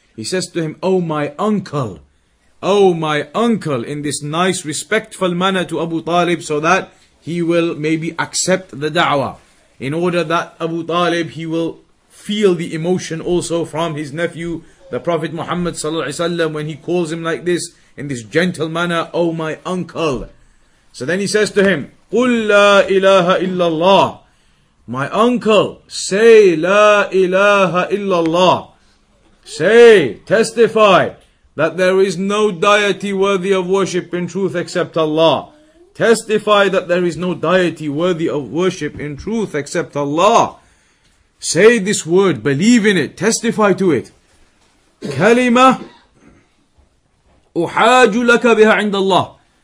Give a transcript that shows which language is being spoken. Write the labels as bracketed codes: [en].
[en] He says to him, oh my uncle, oh my uncle, in this nice respectful manner to Abu Talib, so that he will maybe accept the da'wah, in order that Abu Talib, he will feel the emotion also from his nephew, the Prophet Muhammad sallallahu alaihi wasallam, when he calls him like this, in this gentle manner, oh my uncle. So then he says to him, [ar] قُلْ لَا إِلَهَ إِلَّا اللَّهِ. [en] My uncle, say [ar] لَا إِلَهَ إِلَّا اللَّهِ. [en] Say, testify, that there is no deity worthy of worship in truth except Allah. Testify that there is no deity worthy of worship in truth except Allah. Say this word, believe in it, testify to it. [ar] Kalima, uhaju laka biha inda Allah.